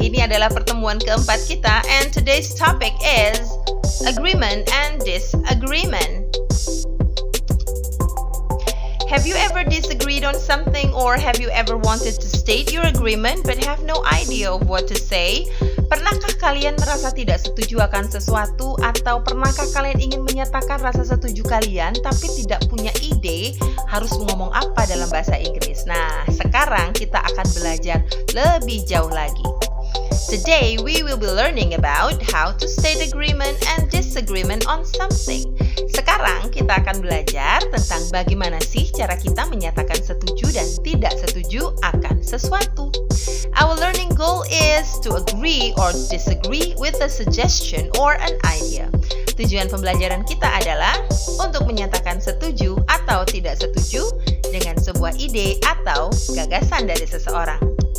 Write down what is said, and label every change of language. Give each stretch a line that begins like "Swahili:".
Indonesian: Ini adalah pertemuan keempat kita
English: and today's topic is agreement and disagreement. Have you ever disagreed on something or have you ever wanted to state your agreement but have no idea of what to say?
Indonesian: Pernahkah kalian merasa tidak setuju akan sesuatu atau pernahkah kalian ingin menyatakan rasa setuju kalian tapi tidak punya ide harus ngomong apa dalam bahasa Inggris? Nah, sekarang kita akan belajar lebih jauh lagi.
English: Today we will be learning about how to state agreement and disagreement on something.
Indonesian: Sekarang kita akan belajar tentang bagaimana sih cara kita menyatakan setuju dan tidak setuju akan sesuatu.
English: Our learning goal is to agree or disagree with a suggestion or an idea.
Indonesian: Tujuan pembelajaran kita adalah untuk menyatakan setuju atau tidak setuju dengan sebuah ide atau gagasan dari seseorang.